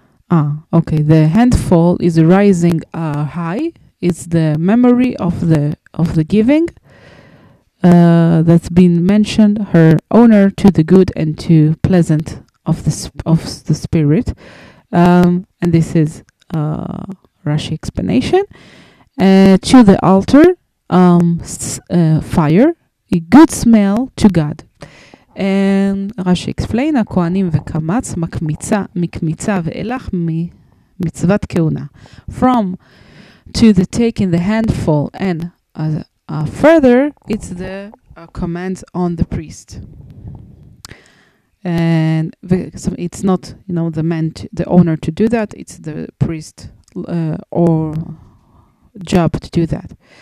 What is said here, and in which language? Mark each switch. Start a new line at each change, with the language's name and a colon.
English: Ah, okay, the handful is rising high, it's the memory of the giving, that's been mentioned, her honor to the good and to pleasant of the spirit. And this is Rashi explanation. To the altar, fire, a good smell to God. And Rashi explain,
Hebrew: הכהנים וקמץ מקמיצה מקמיצה ואילך ממצוות כהונה.
English: From to the taking the handful and further, it's the command on the priest, and so it's not, you know, the man, the owner to do that. It's the priest or job to do that.